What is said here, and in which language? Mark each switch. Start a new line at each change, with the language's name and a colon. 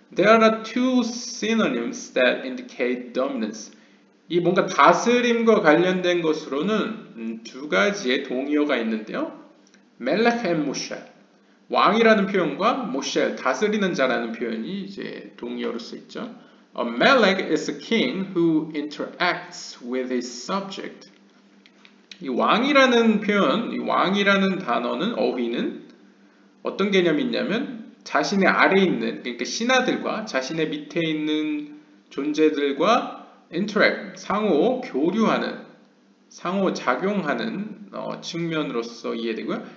English: There are two synonyms that indicate dominance.
Korean: 이 뭔가 다스림과 관련된 것으로는 두 가지의 동의어가 있는데요. 멜렉 앤 모셸. 왕이라는 표현과 모셸, 다스리는 자라는 표현이 이제 동의어로 쓰이죠.
English: A melech is a king who interacts with his subject.
Korean: 이 왕이라는 표현, 이 왕이라는 단어는 어휘는 어떤 개념이 있냐면 자신의 아래에 있는 그러니까 신하들과 자신의 밑에 있는 존재들과 interact, 상호 교류하는, 상호 작용하는 측면으로서 이해되고요.